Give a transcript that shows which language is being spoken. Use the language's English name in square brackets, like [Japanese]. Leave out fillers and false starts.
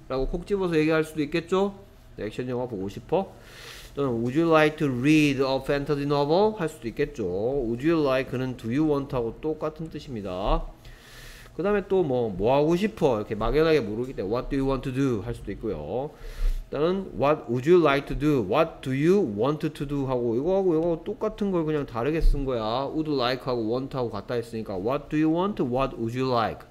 [Korean] 라고 콕 집어서 얘기할 수도 있겠죠? 액션 영화 보고 싶어? [English] 또는 Would you like to read a fantasy novel? [Korean] 할 수도 있겠죠. Would you like는 Do you want하고 똑같은 뜻입니다. 그 다음에 또 뭐 하고 싶어? 이렇게 막연하게 물으기 때문에 [English] What do you want to do? [Korean] 할 수도 있고요. 또는 [English] What would you like to do? What do you want to do? [Korean] 하고 이거하고 똑같은 걸 그냥 다르게 쓴 거야. [English] Would like하고 want하고 [Korean] 같다 했으니까 [English] What do you want? What would you like?